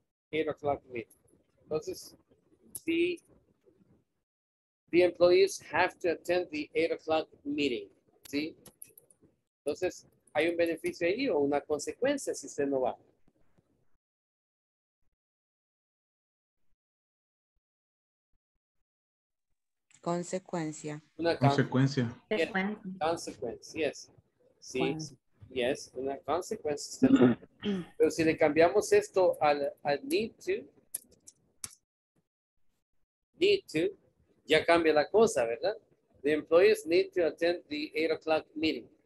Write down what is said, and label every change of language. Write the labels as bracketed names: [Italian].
[English] Entonces, the employees have to attend the 8 o'clock meeting. [Spanish] ¿Sí? Entonces, ¿hay un beneficio ahí o una consecuencia si usted no va? Consecuencia. Una consecuencia. Consecuencia, yes. Sí. Yes, una consecuencia. Pero si le cambiamos esto al need to, ya cambia la cosa, ¿verdad? [English] The employees need to attend the 8 o'clock meeting.